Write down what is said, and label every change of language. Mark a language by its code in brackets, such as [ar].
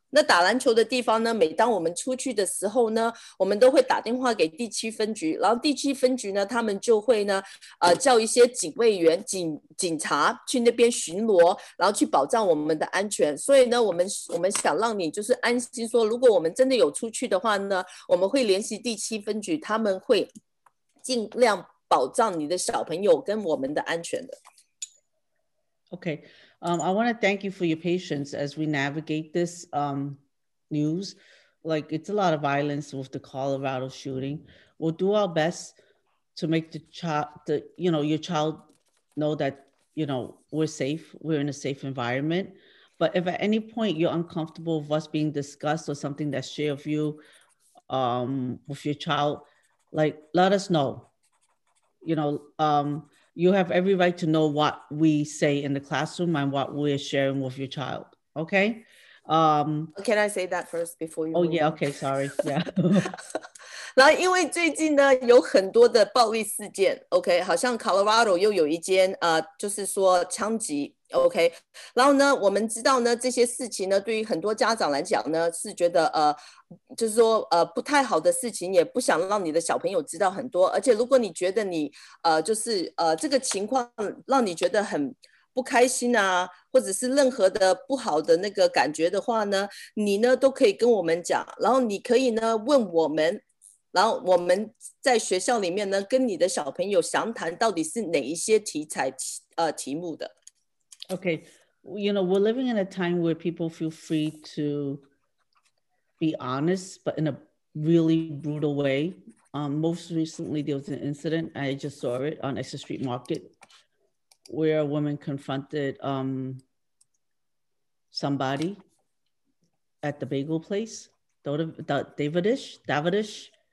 [zh] 那打篮球的地方呢，每当我们出去的时候呢，我们都会打电话给第七分局，然后第七分局呢，他们就会呢，叫一些警卫员、警察去那边巡逻，然后去保障我们的安全。所以呢，我们想让你就是安心说，如果我们真的有出去的话呢，我们会联系第七分局，他们会尽量保障你的小朋友跟我们的安全的。 [en] Okay. I want to thank you for your patience as we navigate this news. Like, it's a lot of violence with the Colorado shooting. We'll do our best to make your child know that, you know, we're safe. We're in a safe environment. But if at any point you're uncomfortable with us being discussed or something that's shared with you, with your child, like, let us know. You know, you have every right to know what we say in the classroom and what we're sharing with your child, okay? Can I say that first before you move? Oh yeah, okay, sorry, yeah. [zh] 然后因为最近呢有很多的暴力事件 ，OK， 好像 Colorado 又有一间就是说枪击 ，OK， 然后呢，我们知道呢这些事情呢，对于很多家长来讲呢是觉得就是说不太好的事情，也不想让你的小朋友知道很多，而且如果你觉得你就是这个情况让你觉得很不开心啊，或者是任何的不好的那个感觉的话呢，你呢都可以跟我们讲，然后你可以呢问我们，然后我们在学校里面呢跟你的小朋友详谈到底是哪一些题材题目的。 [en] Okay, you know, we're living in a time where people feel free to be honest, but in a really brutal way. Most recently, there was an incident, I just saw it on Essex Street Market, where a woman confronted somebody at the bagel place, Davidish.